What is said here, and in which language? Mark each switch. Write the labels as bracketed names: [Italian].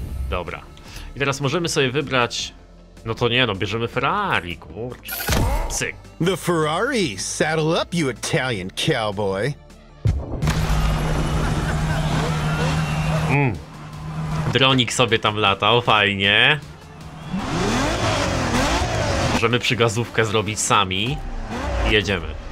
[Polish] Dobra. I teraz możemy sobie wybrać... No to nie, no bierzemy Ferrari, kurczę. Cyk. [English] The Ferrari, saddle up, you Italian cowboy. [Polish] Dronik sobie tam latał, fajnie. Możemy przygazówkę zrobić sami. Jedziemy.